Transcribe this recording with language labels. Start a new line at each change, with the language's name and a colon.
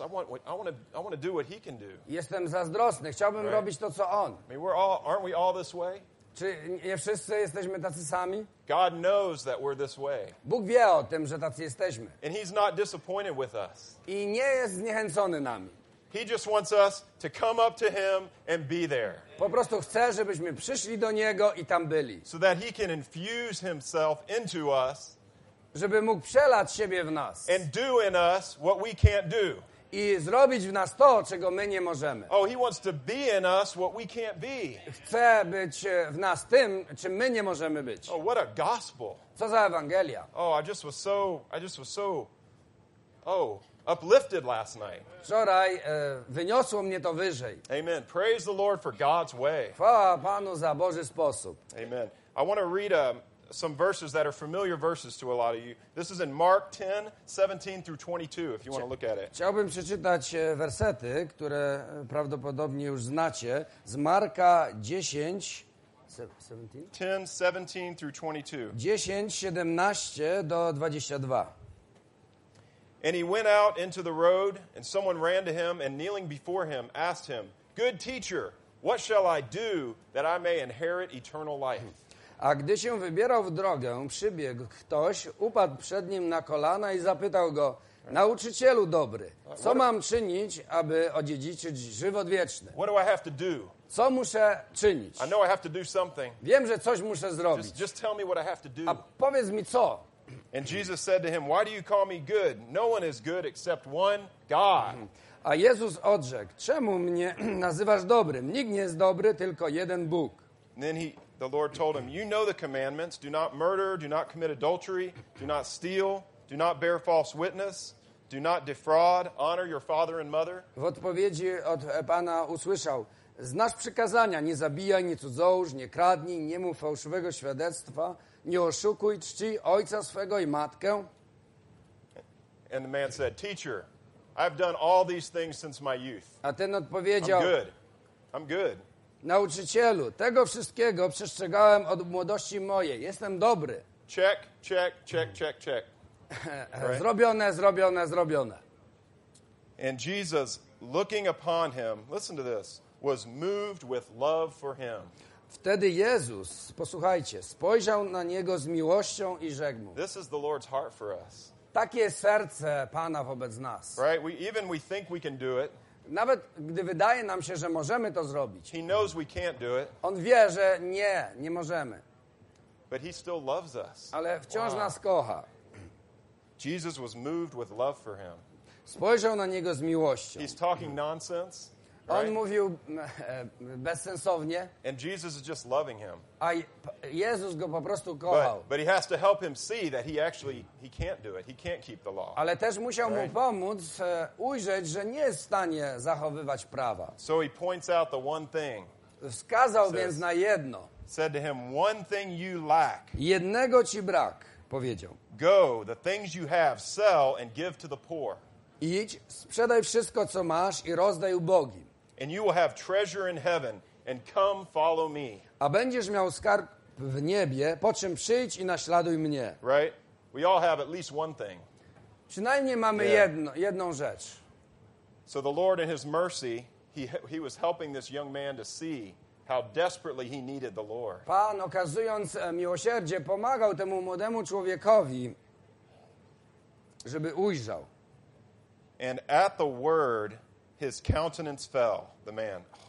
English: I want to do what he can do.
Polish: Jestem zazdrosny. Chciałbym
English: right?
Polish: robić to, co on.
English: I mean, aren't we all this way?
Polish: Czy nie wszyscy jesteśmy tacy sami?
English: God knows that we're this way.
Polish: Bóg wie o tym, że tacy jesteśmy.
English: And he's not disappointed with us.
Polish: I nie jest zniechęcony nami.
English: He just wants us to come up to him and be there.
Polish: Po prostu chce, żebyśmy przyszli do niego i tam byli.
English: So that he can infuse himself into us.
Polish: Żeby mógł przelać siebie w nas.
English: And do in us what we can't do.
Polish: i zrobić w nas to, czego my nie możemy.
English: Oh, he wants to be in us what we can't be.
Polish: Chce być w nas tym, czym my nie możemy być.
English: Oh, what a gospel.
Polish: Co za Ewangelia.
English: Oh, I just was so uplifted last night.
Polish: Wczoraj wyniosło mnie to wyżej.
English: Amen. Praise the Lord for God's way.
Polish: Chwała Panu za Boży sposób.
English: Amen. I want to read some verses that are familiar verses to a lot of you. This is in Mark 10, 17 through 22, if you want to look at it.
Polish: Chciałbym przeczytać wersety, które prawdopodobnie już znacie, z Marka 10, 17?
English: 10, 17 through 22.
Polish: 10, 17 do 22.
English: And he went out into the road, and someone ran to him, and kneeling before him, asked him, "Good teacher, what shall I do that I may inherit eternal life?"
Polish: A gdy się wybierał w drogę, przybiegł ktoś, upadł przed nim na kolana i zapytał go, nauczycielu dobry, co mam czynić, aby odziedziczyć żywot wieczny?
English: What do I have to do?
Polish: Co muszę czynić?
English: I know I have to do something.
Polish: Wiem, że coś muszę zrobić.
English: Just tell me what I have to do.
Polish: A powiedz mi co?
English: And Jesus said to him, why do you call me good? No one is good except one God.
Polish: A Jezus odrzekł, czemu mnie nazywasz dobrym? Nikt nie jest dobry, tylko jeden Bóg.
English: The Lord told him, you know the commandments. Do not murder, do not commit adultery, do not steal, do not bear false witness, do not defraud, honor your father and mother.
Polish: W odpowiedzi od Pana usłyszał, znasz przykazania, nie zabijaj, nie cudzołóż, nie kradnij, nie mów fałszywego świadectwa, nie oszukuj, czci ojca swego i matkę.
English: And the man said, teacher, I've done all these things since my youth.
Polish: A ten odpowiedział,
English: I'm good.
Polish: Nauczycielu, tego wszystkiego przestrzegałem od młodości mojej. Jestem dobry.
English: Check, check, check, check, check. Right?
Polish: Zrobione, zrobione, zrobione.
English: And Jesus, looking upon him, listen to this, was moved with love for him.
Polish: Wtedy Jezus, posłuchajcie, spojrzał na niego z miłością i rzekł mu.
English: This is the Lord's heart for us.
Polish: Takie jest serce Pana wobec nas.
English: Right? We think we can do it.
Polish: Nawet gdy wydaje nam się, że możemy to zrobić.
English: He knows we can't do it.
Polish: On wie, że nie możemy.
English: But he still loves us.
Polish: Ale wciąż nas kocha.
English: Jesus was moved with love for him.
Polish: Spojrzał na niego z miłością.
English: He's talking nonsense,
Polish: on
English: right?
Polish: Mówił bezsensownie.
English: And Jesus is just loving him.
Polish: A Jezus go po prostu kochał.
English: But he has to help him see that he can't do it. He can't keep the law.
Polish: Ale też musiał mu pomóc ujrzeć, że nie jest w stanie zachowywać prawa.
English: So he points out the one thing.
Polish: Wskazał więc na jedno.
English: Said to him, one thing you lack.
Polish: Jednego ci brak, powiedział.
English: Go, the things you have, sell and give to the poor.
Polish: Idź, sprzedaj wszystko, co masz i rozdaj ubogim.
English: And you will have treasure in heaven and come follow me.
Polish: A będziesz miał skarb w niebie, po czym przyjdź i naśladuj mnie.
English: Right? We all have at least one thing.
Polish: Przynajmniej mamy jedną rzecz.
English: So the Lord in his mercy, he was helping this young man to see how desperately he needed the Lord.
Polish: Pan, okazując miłosierdzie, pomagał temu młodemu człowiekowi, żeby ujrzał.
English: And at the word, his countenance fell, the man.